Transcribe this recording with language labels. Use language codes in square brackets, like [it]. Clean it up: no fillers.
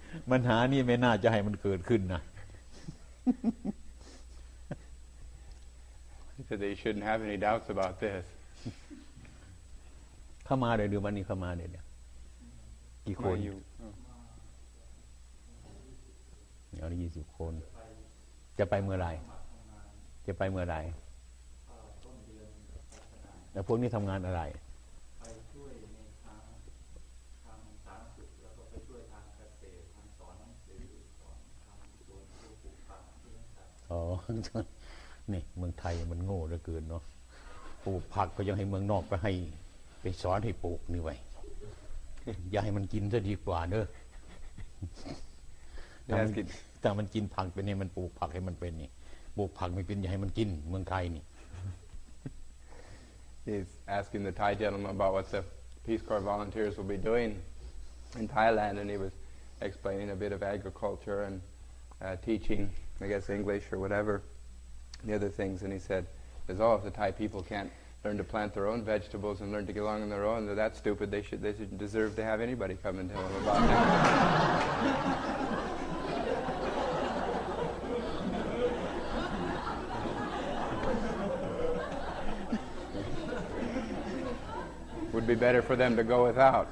[th] ปัญหานี่ไม่น่าจะให้มันเกิดขึ้นนะ [en] So they shouldn't have any doubts about this. [th] เข้ามาเลยดูวันนี้เข้ามาเลยกี่คนเดี๋ยวนี้20คนจะไปเมื่อไหร่จะไปเมื่อไหร่ต้นเดือนกันยายนแล้วพวกนี้ทำงานอะไร ไปช่วยในทางสาธารณสุขแล้วก็ไปช่วยทางเกษตรทางสอนหนังสือสอนทาง ส่วน ปลูกผักเนี่ยครับอ๋อนี่เมืองไทยมันโง่เหลือเกินเนาะปลูกผักก็ยังให้เมืองนอกไปให้ไปสอนให้ปลูกนี่ไว้อย่าให้มันกินซะดีกว่าเด้อถ้ามันกินผักเป็นนี่มันปลูกผักให้มันเป็นนี่ปลูกผักไม่เป็นอย่าให้มันกินเมืองไทยนี่ [en] He's asking the Thai gentleman about what the Peace Corps volunteers will be doing in Thailand and he was explaining a bit of agriculture and teaching I guess English or whatever the other things and he said as all of the Thai people can't learn to plant their own vegetables and learn to get along on their own they're that stupid they should deserve to have anybody come and tell them about that Would be better for them to go without.